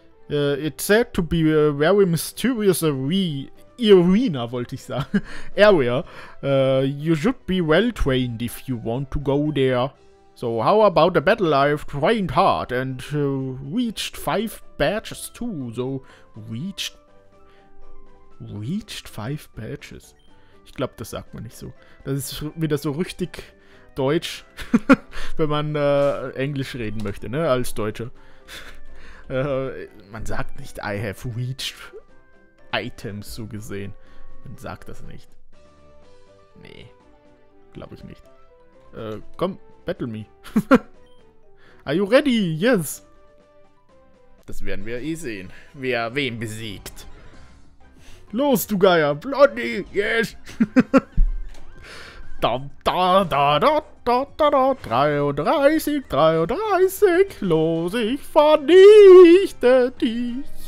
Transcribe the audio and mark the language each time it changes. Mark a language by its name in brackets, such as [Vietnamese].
[English] It's said to be a very mysterious arena, [German] wollte ich sagen. [English] Area. You should be well trained if you want to go there. So, how about a battle? I've trained hard and reached 5 badges too. So, reached Reached 5 Badges. [German] Ich glaube, das sagt man nicht so. Das ist wieder so richtig deutsch, wenn man Englisch reden möchte, ne? Als Deutscher. Man sagt nicht, [English] I have reached items, [German] so gesehen. Man sagt das nicht. Nee, glaube ich nicht. Komm, [English] battle me. Are you ready? Yes. [German] Das werden wir eh sehen, wer wen besiegt. Los, du Geier! [English] Bloody! Yes! [German] Da, da, da, da, da, da, da, 33, 33, los, ich vernichte dich!